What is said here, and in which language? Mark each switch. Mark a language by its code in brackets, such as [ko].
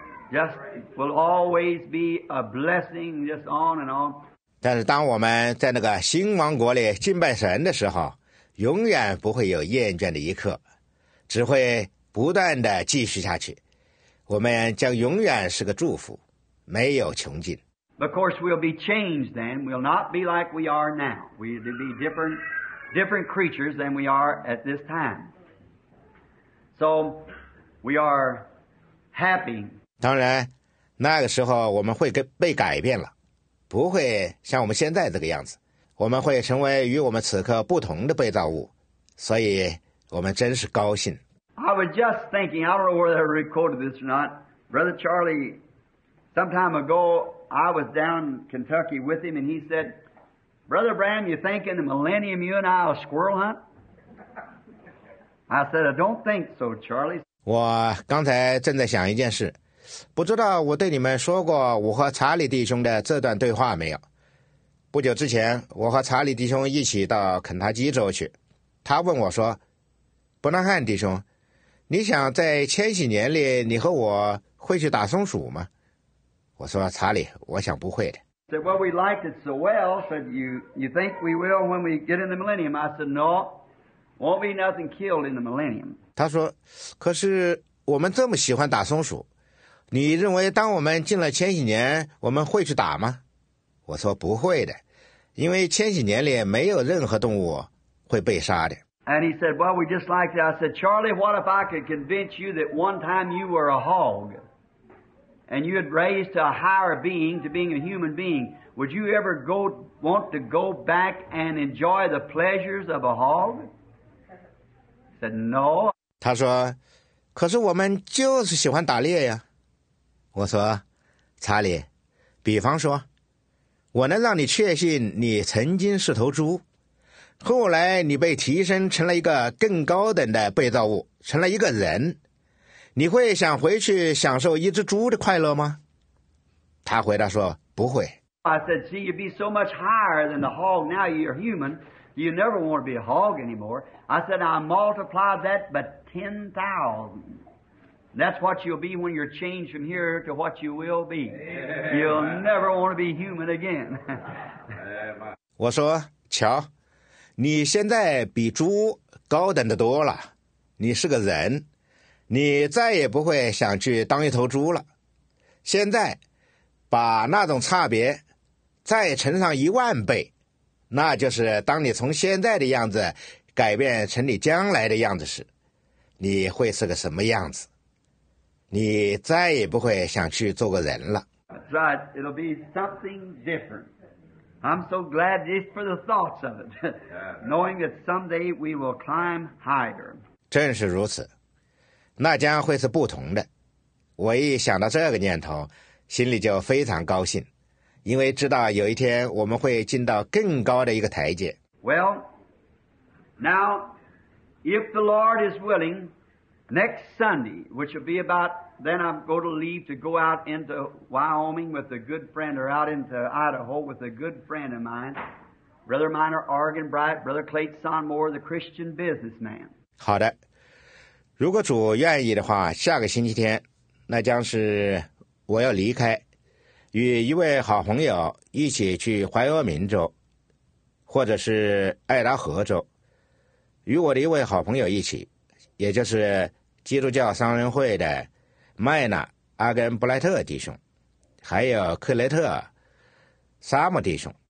[en] Just will always be a blessing, just on and on. [zh] 但是当我们在那个新王国里敬拜神的时候，永远不会有厌倦的一刻，只会不断的继续下去。我们将永远是个祝福，没有穷尽。 [en] Of course, we'll be changed then. We'll not be like we are now. We'll be different creatures than we are at this time. So, we are happy. [zh] 当然，那个时候我们会被改变了，不会像我们现在这个样子。我们会成为与我们此刻不同的被造物，所以我们真是高兴。 [en] I was just thinking, I don't know whether I recorded this or not, Brother Charlie, some time ago, I was down in Kentucky with him, and he said, Brother Branham, you think in the millennium you and I will squirrel hunt? I said, I don't think so, Charlie. [zh] 我刚才正在想一件事，不知道我对你们说过我和查理弟兄的这段对话没有。不久之前，我和查理弟兄一起到肯塔基州去，他问我说，伯南汉弟兄，你想在千禧年里你和我会去打松鼠吗？我说，查理，我想不会的。 [en] He said, well, we liked it so well, said you think we will when we get in the millennium. I said, no, won't be nothing killed in the millennium. [zh] 他说，可是我们这么喜欢打松鼠，你认为当我们进了千禧年，我们会去打吗？我说不会的，因为千禧年里没有任何动物会被杀的。 [en] And he said, well, we just liked it. I said, Charlie, what if I could convince you that one time you were a hog? And you had raised to a higher being, to being a human being, would you ever want to go back and enjoy the pleasures of a hog? He said, no. [zh] 他说，可是我们就是喜欢打猎呀。我说，查理，比方说，我能让你确信你曾经是头猪，后来你被提升成了一个更高等的被造物，成了一个人。你会想回去享受一只猪的快乐吗？他回答说：“不会。” [en] I said, "See, you'd be so much higher than the hog. Now you're human. You never want to be a hog anymore." I said, "I multiplied that by 10,000. That's what you'll be when you're changed from here to what you will be. You'll never want to be human again." [zh] 我说：“瞧，你现在比猪高等的多了，你是个人。” 你再也不会想去当一头猪了。现在把那种差别再乘上一万倍，那就是当你从现在的样子改变成你将来的样子时，你会是个什么样子？你再也不会想去做个人了。 [en] That's right. It'll be something different. I'm so glad just for the thoughts of it. Knowing that someday we will climb higher. [zh] 正是如此。那将会是不同的。我一想到这个念头，心里就非常高兴，因为知道有一天我们会进到更高的一个台阶。 [en] Well, now, if the Lord is willing, next Sunday, which will be about, then I'm going to leave to go out into Wyoming with a good friend, or out into Idaho with a good friend of mine, Brother Minor Argan Bright, Brother Clayton Sonmore, the Christian businessman. [zh] 好的。如果主愿意的话，下个星期天，那将是我要离开，与一位好朋友一起去怀俄明州，或者是爱达荷州，与我的一位好朋友一起，也就是基督教商人会的麦纳阿根布莱特弟兄，还有克雷特萨姆弟兄。